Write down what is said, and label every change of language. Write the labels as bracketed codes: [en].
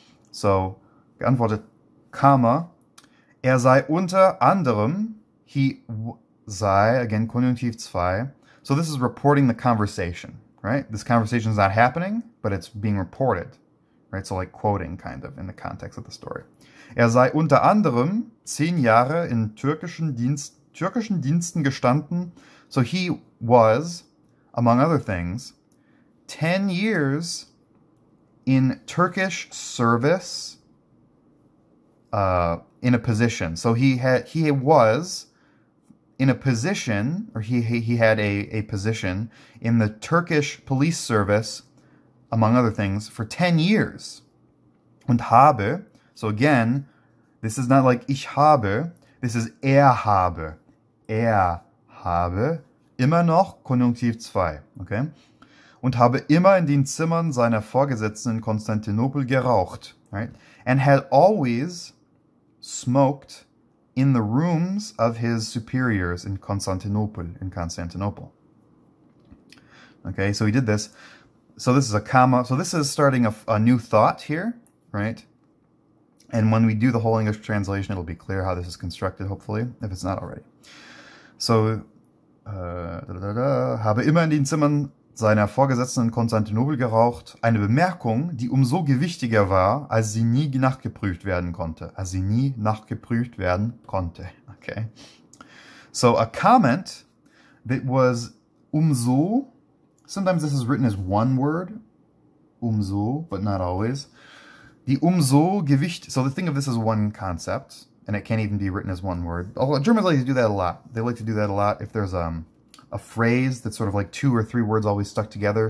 [de] So geantwortet, Kammer, sei unter anderem, he sei, again, Konjunktiv II. [en] So this is reporting the conversation, right? This conversation is not happening, but it's being reported, right? So like quoting, kind of, in the context of the story. [de] Sei unter anderem 10 Jahre in türkischen Diensten gestanden. [en] So he was, among other things, 10 years in Turkish service, in a position. So he had a position in the Turkish police service, among other things, for 10 years. Und habe, so again, this is not like ich habe, this is habe. [de] Habe immer noch Konjunktiv 2, okay? Und habe immer in den Zimmern seiner Vorgesetzten in Konstantinopel geraucht, right? [en] And had always smoked in the rooms of his superiors in Constantinople. Okay, so he did this. So this is a comma. So this is starting a new thought here, right? And when we do the whole English translation, it'll be clear how this is constructed, hopefully, if it's not already. [de] So, habe immer in den Zimmern seiner Vorgesetzten in Konstantinopel geraucht, eine Bemerkung, die umso gewichtiger war, als sie nie nachgeprüft werden konnte. [en] Okay. So a comment that was umso, sometimes this is written as one word, umso, but not always. Die umso gewicht, so the thing of this is one concept, and it can't even be written as one word. Although Germans like to do that a lot. They like to do that a lot if there's a phrase that's sort of like two or three words always stuck together.